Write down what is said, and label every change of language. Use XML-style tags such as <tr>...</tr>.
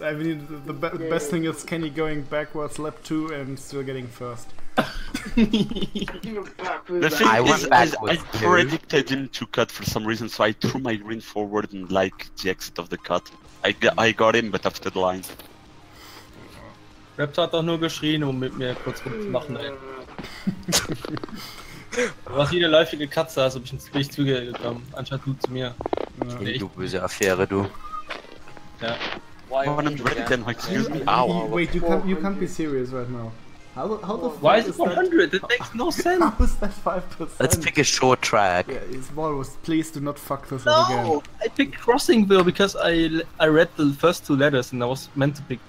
<en>I mean, the best thing is Kenny going backwards lap 2 and still getting first. The thing I predicted him to cut for some reason, so I threw my green forward and like the exit of the cut. I got him, but after the line.</en> <de>Raptor hat doch nur geschrien, um mit mir kurz rum zu machen, ey. Du hast hier eine läufige Katze, also bin ich zu dir gekommen. Anscheinend gut zu mir. Ja. Nee, du böse Affäre, du. Ja.</de> <en>Why oh, I'm ready then, excuse me, ow. Wait, you can't be serious right now. How the fuck why is it 400? That makes no sense. How is that 5%? Let's pick a short track. Yeah, it's Walrus. Please do not fuck this no! up again. No! I picked Crossingville because I read the first two letters and I was meant to pick</en>